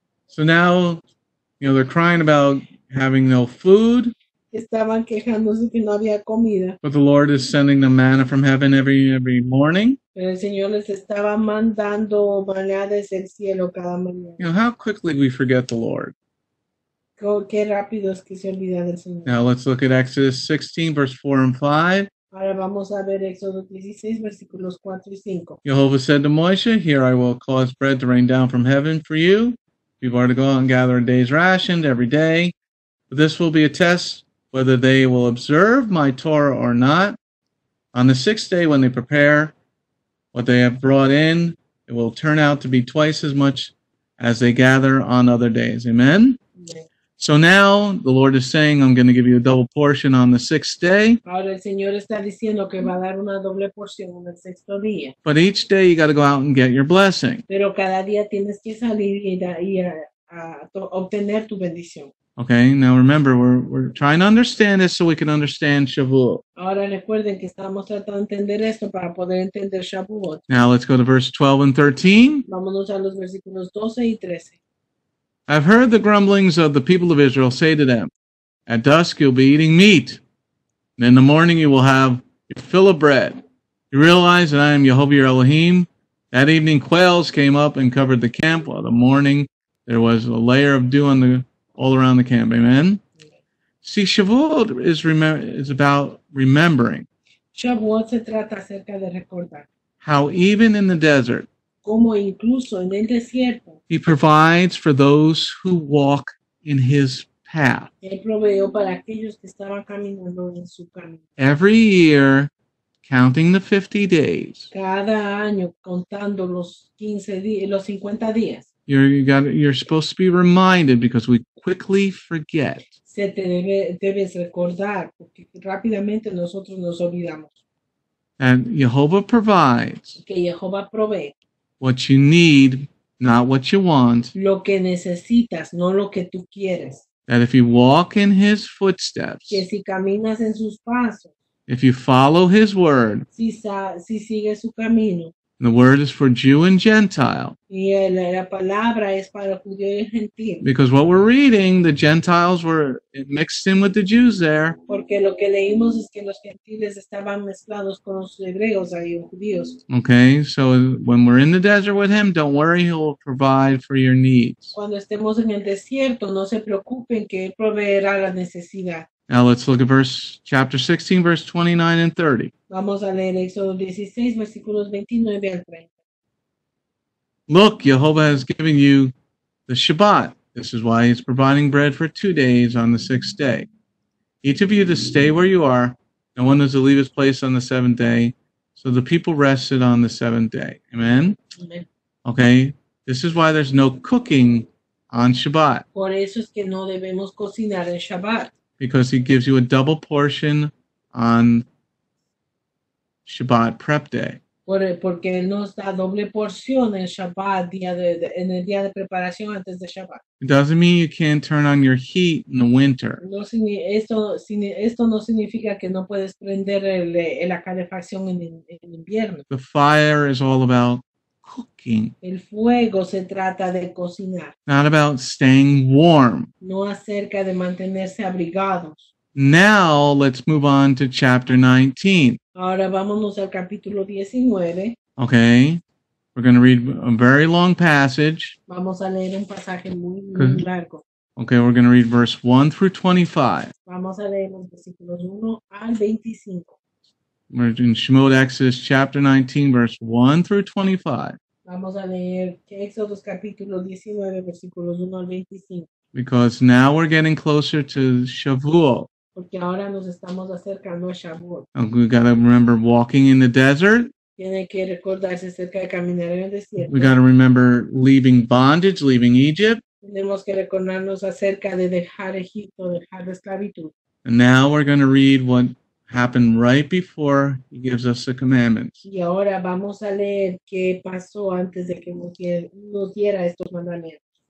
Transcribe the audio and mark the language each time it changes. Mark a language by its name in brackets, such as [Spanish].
[English] So now, they're crying about having no food. [Spanish] Estaban quejándose que no había comida. [English] But the Lord is sending them manna from heaven every morning. [Spanish] Pero el Señor les estaba mandando maná desde el cielo cada mañana. [English] How quickly we forget the Lord. [Spanish] Qué rápido es que se olvida del Señor. [English] Now let's look at Exodus 16, verse 4 and 5. [Spanish] Ahora vamos a ver Éxodo 16, versículos 4 y 5. [English] Jehovah said to Moshe, "Here I will cause bread to rain down from heaven for you. People are to go out and gather a day's ration every day. But this will be a test whether they will observe my Torah or not. On the sixth day when they prepare what they have brought in, it will turn out to be twice as much as they gather on other days." Amen? Amen. So now the Lord is saying, "I'm going to give you a double portion on the sixth day." [Spanish] Ahora el Señor está diciendo que va a dar una doble porción en el sexto día. [English] But each day you got to go out and get your blessing. [Spanish] Pero cada día tienes que salir y obtener tu bendición. [English] Okay, now remember, we're trying to understand this so we can understand Shavuot. [Spanish] Ahora recuerden que estamos tratando de entender esto para poder entender Shavuot. [English] Now let's go to verse 12 and 13. [Spanish] Vámonos a los versículos 12 y 13. [English] "I've heard the grumblings of the people of Israel say to them, 'At dusk you'll be eating meat. And in the morning, you will have your fill of bread. You realize that I am Yehovah your Elohim. That evening, quails came up and covered the camp. While the morning, there was a layer of dew on the all around the camp. Amen. See, Shavuot is about remembering. [Spanish] Shavuot se trata acerca de recordar. [English] How even in the desert, [Spanish] como incluso en el desierto, [English] he provides for those who walk in his path. [Spanish] Él proveyó para aquellos que estaban caminando en su camino. [English] Every year, counting the 50 days. [Spanish] Cada año contando los 15 días, los 50 días. [English] You're supposed to be reminded because we quickly forget. [Spanish] Se te debe, debes recordar porque rápidamente nosotros nos olvidamos. [English] And Jehovah provides. [Spanish] Que Jehovah provee. [English] What you need, not what you want. [Spanish] Lo que necesitas, no lo que tú quieres. [English] That if you walk in his footsteps. [Spanish] Que si caminas en sus pasos. [English] If you follow his word. [Spanish] Si sigue su camino. [English] The word is for Jew and Gentile. [Spanish] Y la palabra es para judío y gentil. [English] Because what we're reading, the Gentiles were mixed in with the Jews there. [Spanish] Porque lo que leímos es que los gentiles estaban mezclados con los hebreos ahí, los judíos. [English] Okay, so when we're in the desert with him, don't worry, he'll provide for your needs. [Spanish] Cuando estemos en el desierto, no se preocupen que él proveerá la necesidad. [English] Now let's look at chapter 16, verse 29 and 30. [Spanish] Vamos a leer Éxodo 16, versículos 29 al 30. [English] Look, Jehovah has given you the Shabbat. This is why he's providing bread for 2 days on the sixth day. Each of you to stay where you are, no one is to leave his place on the seventh day. So the people rested on the seventh day. Amen? Amen. Okay, this is why there's no cooking on Shabbat. [Spanish] Por eso es que no debemos cocinar en Shabbat. [English] Because he gives you a double portion on Shabbat prep day. [Spanish] Porque él nos da doble porción en Shabbat, en el día de preparación antes de Shabbat. [English] It doesn't mean you can't turn on your heat in the winter. [Spanish] Esto no significa que no puedes prender la calefacción en invierno. [English] The fire is all about cooking. [Spanish] El fuego se trata de cocinar. [English] Not about staying warm. [Spanish] No acerca de mantenerse abrigados. [English] Now let's move on to chapter 19. [Spanish] Ahora vámonos al capítulo 19. [English] Okay. We're going to read a very long passage. [Spanish] Vamos a leer un pasaje muy, muy largo. [English] Okay, we're going to read verse 1 through 25. [Spanish] Vamos a leer los versículos 1 al 25. [English] We're in Shemot Exodus chapter 19, verse 1 through 25. [Spanish] Vamos a leer Exodus capítulo 19, versículos 1 al 25. [English] Because now we're getting closer to Shavuot. [Spanish] Porque ahora nos estamos acercando a Shavuot. [English] We've got to remember walking in the desert. [Spanish] Tiene que recordarse acerca de caminar en el desierto. [English] We've got to remember leaving bondage, leaving Egypt. [Spanish] Tenemos que recordarnos acerca de dejar Egipto, dejar la esclavitud. [English] And now we're going to read what happened right before he gives us the commandments. [Spanish] Y ahora vamos a leer qué pasó antes de que nos diera estos mandamientos.